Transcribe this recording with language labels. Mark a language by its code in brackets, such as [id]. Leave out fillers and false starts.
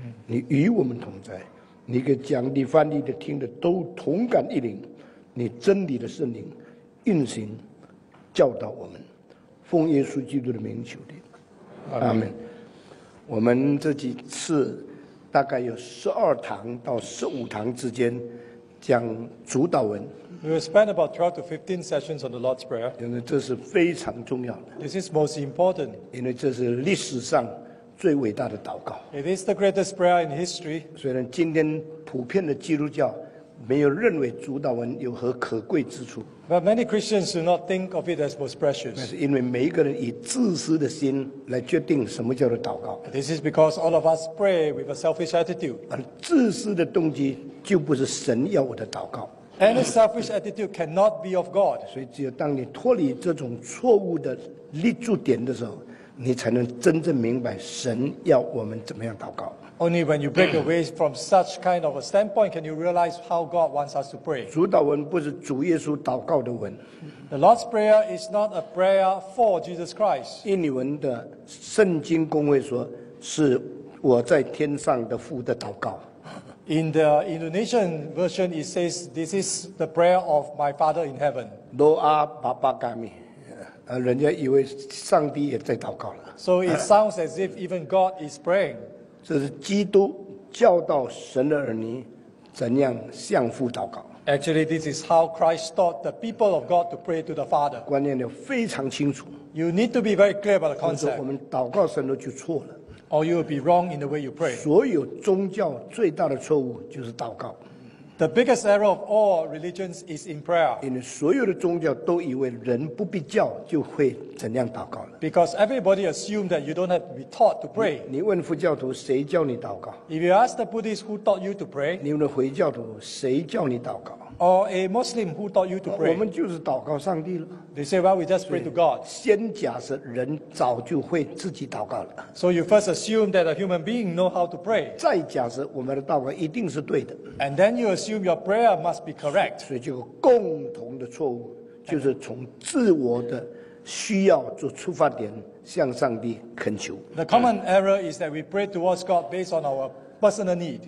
[zh] 你与我们同在，你给讲理翻译的听的都同感一灵，你真理的圣灵运行教导我们，奉耶稣基督的名求的，阿们。我们这几次大概有12堂到15堂之间讲主导文。 [en] We spent about 12 to 15 sessions on the Lord's Prayer. [zh] 因为这是非常重要的。 [en] This is most important. [zh] 因为这是历史上最伟大的祷告。 [en] It is the greatest prayer in history. [zh] 虽然今天普遍的基督教没有认为主导文有何可贵之处。 [en] But many Christians do not think of it as most precious. [zh] 那是因为每一个人以自私的心来决定什么叫做祷告。 [en] This is because all of us pray with a selfish attitude. [zh] 而自私的动机就不是神要我的祷告。 [en] Any selfish attitude cannot be of God. [zh] 所以只有当你脱离这种错误的立足点的时候，你才能真正明白神要我们怎么样祷告。 [en] Only when you break away from such kind of a standpoint can you realize how God wants us to pray. [zh] 主祷文不是主耶稣祷告的文。 [en] The Lord's Prayer is not a prayer for Jesus Christ. [zh] 印尼文的圣经公会说是我在天上的父的祷告。 [en] In the Indonesian version, it says, "This is the prayer of my Father in heaven." [id] Doa Bapa kami. [zh] 人家以为上帝也在祷告了。 [en] So it sounds as if even God is praying. [zh] 这是基督教导神的儿女怎样向父祷告。 [en] Actually, this is how Christ taught the people of God to pray to the Father. [zh] 观念要非常清楚。 [en] You need to be very clear about the concept. [zh] 或者我们祷告神都就错了。 [en] Or you will be wrong in the way you pray. [zh] 所有宗教最大的错误就是祷告。 [en] The biggest error of all religions is in prayer. [zh] 因为所有的宗教都以为人不必教就会怎样祷告了。 [en] Because everybody assumes that you don't have to be taught to pray. [zh] 你问佛教徒谁教你祷告？ [en] If you ask the Buddhist who taught you to pray, [zh] 你问回教徒谁教你祷告？ [en] Or a Muslim who taught you to pray, [zh] 我们就是祷告上帝了。 [en] They say, well, we just pray to God. [zh] 先假设人早就会自己祷告了。 [en] So you first assume that a human being know how to pray. [zh] 再假设我们的祷告一定是对的。 [en] And then you assume your prayer must be correct. [zh] 所以这个共同的错误就是从自我的需要做出发点向上帝恳求。 [en] The common error is that we pray towards God based on our personal need.